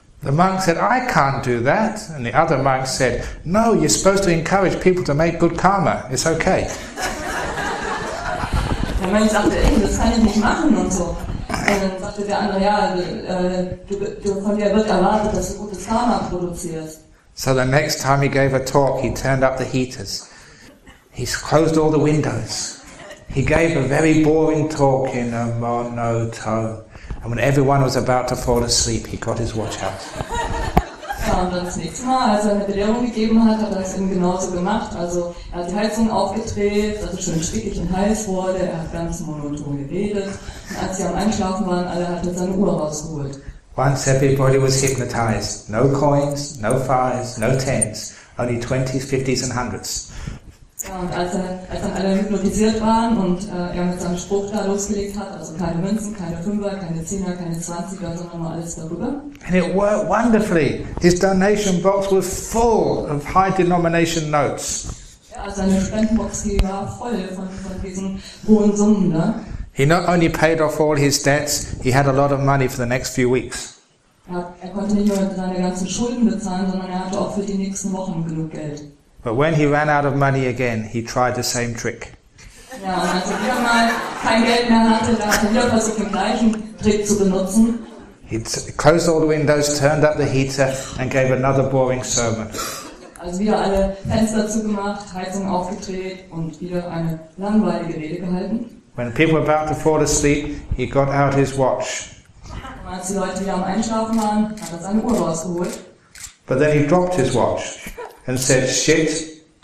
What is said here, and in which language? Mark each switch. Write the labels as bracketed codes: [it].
[en] The monk said, I can't do that. And the other monk said, no, you're supposed to encourage people to make good karma. It's okay. [de] Der Mensch sagte, ey, das kann ich nicht machen und so. Und dann sagte der andere, ja, du von dir wird erwartet, dass du gutes Karma produzierst. [en] So the next time he gave a talk, he turned up the heaters. He closed all the windows. He gave a very boring talk in a monotone. And when everyone was about to fall asleep, he got his watch out. [de] Ja, und dann das nächste Mal, als er eine Belehrung gegeben hat, hat er es eben genauso gemacht. Also er hat die Heizung aufgedreht, dass es schön stickig und heiß wurde, er hat ganz monoton geredet. Und als sie am Einschlafen waren, alle hat er seine Uhr rausgeholt. [en] Once everybody was hypnotized. No coins, no fives, no tens. Only 20s, 50s and 100s. [de] Ja, und als dann alle hypnotisiert waren und er mit seinem Spruch da losgelegt hat, also keine Münzen, keine Fünfer, keine Zehner, keine Zwanziger, sondern nur alles darüber. [en] And it worked wonderfully. His donation box was full of high denomination notes. [de] Ja, seine Spendenbox war voll von diesen hohen Summen, ne? [en] He not only paid off all his debts, he had a lot of money for the next few weeks. [de] Er konnte nicht nur seine ganzen Schulden bezahlen, sondern er hatte auch für die nächsten Wochen genug Geld. [en] But when he ran out of money again, he tried the same trick. [de] Ja, und als er wieder mal kein Geld mehr hatte, da hat er wieder versucht, den gleichen Trick zu benutzen. [en] He closed all the windows, turned up the heater and gave another boring sermon. [de] Also wieder alle Fenster zugemacht, Heizung aufgedreht und wieder eine langweilige Rede gehalten. [en] When people were about to fall asleep, he got out his watch. [de] Und als die Leute wieder am Einschlafen waren, hat er seine Uhr rausgeholt. [en] But then he dropped his watch and said, shit.